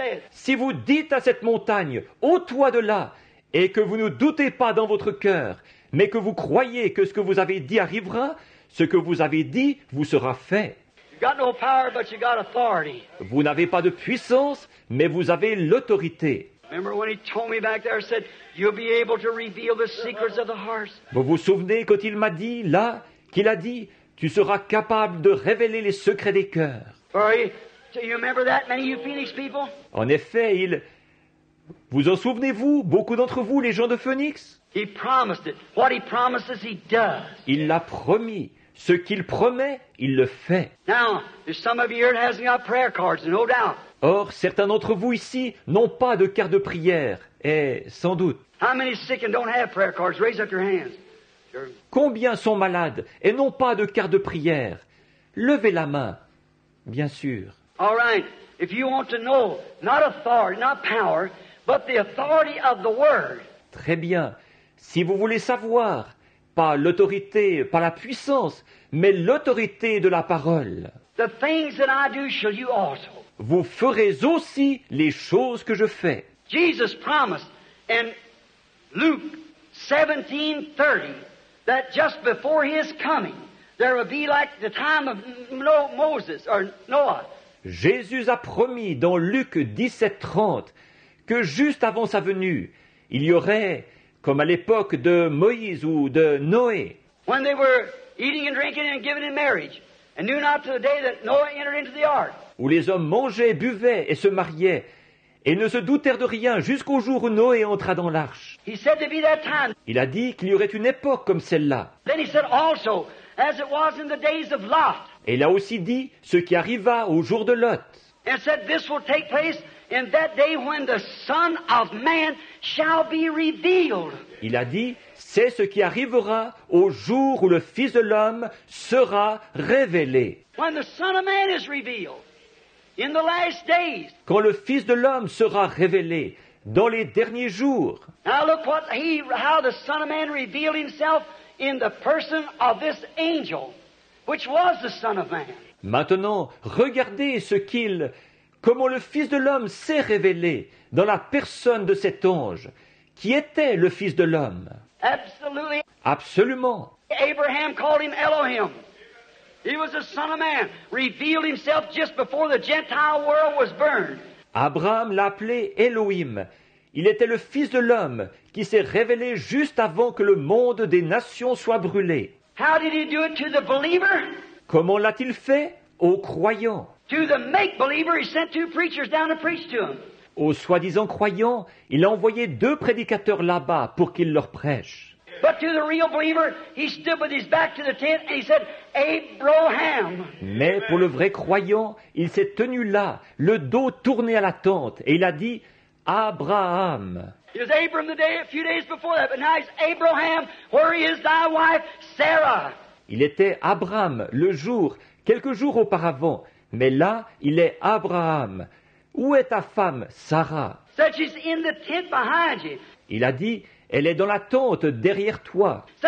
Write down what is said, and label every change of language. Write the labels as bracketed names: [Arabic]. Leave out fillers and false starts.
[French] Si vous dites à cette montagne, ôte-toi de là, et que vous ne doutez pas dans votre cœur, mais que vous croyez que ce que vous avez dit arrivera, ce que vous avez dit vous sera fait. [English] Got no power, but you got authority. [French] Vous n'avez pas de puissance, mais vous avez l'autorité. [English] Remember when he told me back there, said, you'll be able to reveal the secrets of the heart. [French] Vous vous souvenez quand il m'a dit là, qu'il a dit, tu seras capable de révéler les secrets des cœurs. [English] Do you remember that, many of you Phoenix people? [French] En effet, il... Vous en souvenez-vous, beaucoup d'entre vous, les gens de Phoenix? [English] He promised it. What he promises, he does. [French] Il l'a promis. Ce qu'il promet, il le fait. [English] Now, there's some of you here that hasn't got prayer cards, no doubt. [French] Or, certains d'entre vous ici n'ont pas de carte de prière, et sans doute. [English] How many sick and don't have prayer cards? Raise up your hands. Sure. [French] Combien sont malades et n'ont pas de carte de prière? Levez la main, bien sûr. [English] All right. If you want to know, not authority, not power, but the authority of the word. [French] Très bien. Si vous voulez savoir. Pas l'autorité, pas la puissance, mais l'autorité de la parole. [English] The things that I do shall you also. [French] Vous ferez aussi les choses que je fais. [English] Jesus promised in Luke 17:30 that just before his coming there would be like the time of Moses or Noah. [French] Jésus a promis dans Luc 17:30 que juste avant sa venue, il y aurait comme à l'époque de Moïse ou de Noé. [English] When they were eating and drinking and giving in marriage, and knew not to the day that Noah entered into the ark. [French] Où les hommes mangeaient, buvaient et se mariaient, et ne se doutèrent de rien jusqu'au jour où Noé entra dans l'arche. [English] He said there'd be that time. [French] Il a dit qu'il y aurait une époque comme celle-là. [English] Then he said also, as it was in the days of Lot. [French] Et il a aussi dit ce qui arriva au jour de Lot. [English] And said this will take place. In that day when the Son of Man shall be revealed. [French] Il a dit, c'est ce qui arrivera au jour où le Fils de l'homme sera révélé. [English] When the Son of Man is revealed, in the last days. [French] Quand le Fils de l'homme sera révélé dans les derniers jours. [English] Now look what he, how the Son of Man revealed himself in the person of this angel, which was the Son of Man. [French] Maintenant, regardez ce qu'il comment le Fils de l'homme s'est révélé dans la personne de cet ange qui était le Fils de l'homme. [English] Absolutely. [French] Absolument. [English] Abraham called him Elohim. He was the Son of Man, revealed himself just before the Gentile world was burned. [French] Abraham l'appelait Elohim. Il était le Fils de l'homme qui s'est révélé juste avant que le monde des nations soit brûlé. [English] How did he do it to the believer? [French] Comment l'a-t-il fait? Aux croyants. [English] To the make-believer, he sent two preachers down to preach to him. [French] Aux soi-disant croyants, il a envoyé deux prédicateurs là-bas pour qu'ils leur prêchent. [English] But to the real believer, he stood with his back to the tent and he said, Abraham. [French] Mais pour le vrai croyant, il s'est tenu là, le dos tourné à la tente, et il a dit, Abraham. [English] He was Abram the day, a few days before that, but now he's Abraham. Where is thy wife, Sarah? [French] Il était Abraham le jour, quelques jours auparavant. Mais là, il est Abraham. Où est ta femme, Sarah? [English] Said she's in the tent behind you. [French] Il a dit, Elle est dans la tente derrière toi.